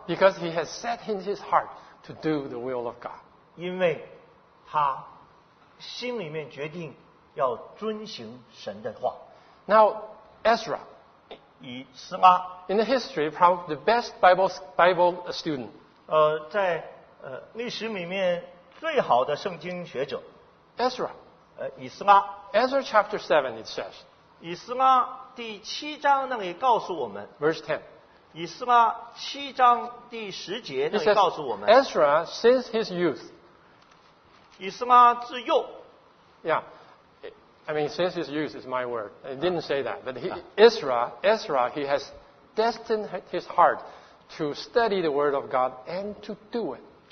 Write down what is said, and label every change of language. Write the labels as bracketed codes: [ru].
[en] Because he has set in his heart to do the will of God. [zh] 因为他心里面决定 要遵行神的话。 [en] Now, Ezra, [zh] 以斯拉, [en] in the history, probably the best Bible student. [zh] 在历史里面最好的圣经学者。 [en] Ezra, [zh] 以斯拉, [en] Ezra chapter 7, it says. [zh] 以斯拉第七章那里告诉我们, [en] verse 10. [zh] 以斯拉七章第十节那里告诉我们, [en] says, Ezra, since his youth. [zh] 以斯拉自幼, [en] yeah. I mean, since his youth is my word. I didn't say that. But Ezra, he has destined his heart to study the word of God and to do it.